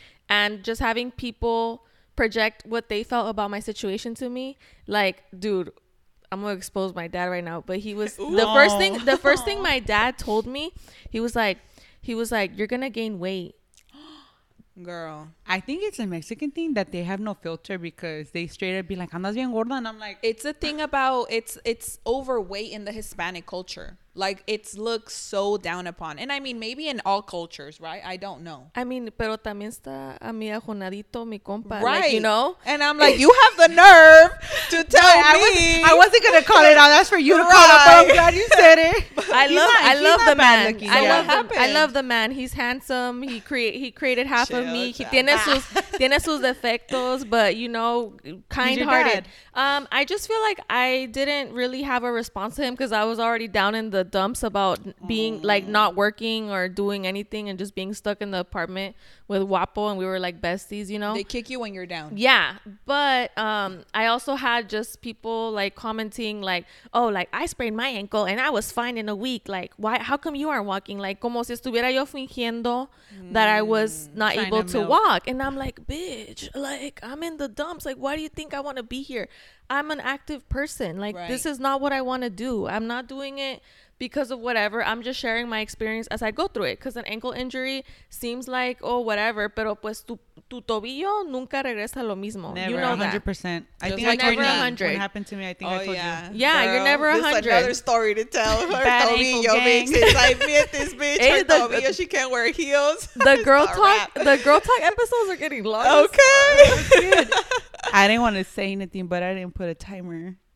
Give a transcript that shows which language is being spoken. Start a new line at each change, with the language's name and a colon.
English: And just having people project what they felt about my situation to me, like, dude, I'm gonna expose my dad right now. But he was the first thing my dad told me, he was like, you're going to gain weight. Girl, I think it's a Mexican thing that they have no filter because they straight up be like,
Spanish: andas bien gorda.
English: And I'm like, it's a thing about it's overweight in the Hispanic culture. Like it's looked so down upon. And I mean, maybe in all cultures, right? I don't know. I mean,
Spanish: pero también está a mi ajonadito, mi compa.
English: Right. Like, you know? And I'm like, you have the nerve to tell me. I wasn't going to call it out. That's for you to call it out. I'm glad you said it. I love the man. I love the man. He's handsome. He created half chill, of me.
Spanish: Tiene sus defectos,
English: but you know, kind hearted. I just feel like I didn't really have a response to him because I was already down in the dumps about being like not working or doing anything and just being stuck in the apartment with Wapo, and we were like besties, you know. They kick you when you're down. Yeah, but I also had just people like commenting like, oh, like I sprained my ankle and I was fine in a week, like why, how come you aren't walking, like
Spanish: como si estuviera yo fingiendo
English: that I was not able to walk. And I'm like, bitch, like I'm in the dumps, like why do you think I want to be here? I'm an active person. Like, right. This is not what I want to do. I'm not doing it because of whatever. I'm just sharing my experience as I go through it. Because an ankle injury seems like, oh, whatever.
Spanish: Pero pues tu tobillo nunca regresa lo mismo.
English: Never, you know 100%. That. I think you're never 100. What happened to me, I think, oh, I told yeah. you. Yeah, girl, you're never 100. This is another story to tell. Her bad tobillo makes it. I met this bitch. Her tobillo, she can't wear heels. The girl talk episodes are getting lost. Okay. I didn't want to say anything, but I didn't put a timer.